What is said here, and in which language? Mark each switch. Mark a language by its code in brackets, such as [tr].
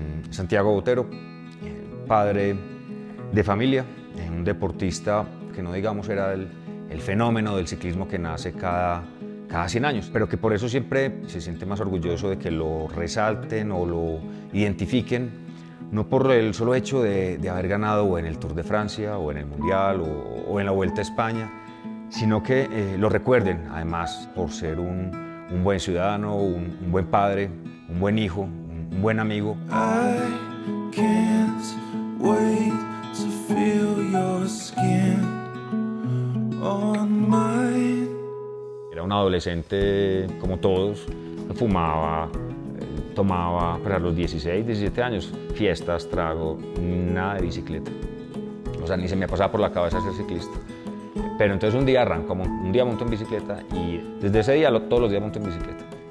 [es] Santiago Botero, padre de familia, un deportista que no digamos era el fenómeno del ciclismo que nace cada 100 años, pero que por eso siempre se siente más orgulloso de que lo resalten o lo identifiquen, no por el solo hecho de haber ganado o en el Tour de Francia o en el Mundial o en la Vuelta a España, sino que lo recuerden además por ser un buen ciudadano, un buen padre, un buen hijo, un buen amigo. [en] I can't wait to feel your skin on mine. [es] Era un adolescente como todos, fumaba, tomaba, para los 16, 17 años, fiestas, trago, nada de bicicleta. O sea, ni se me pasaba por la cabeza ser ciclista. Pero entonces un día arrancó, un día monto en bicicleta y desde ese día todos los días monto en bicicleta.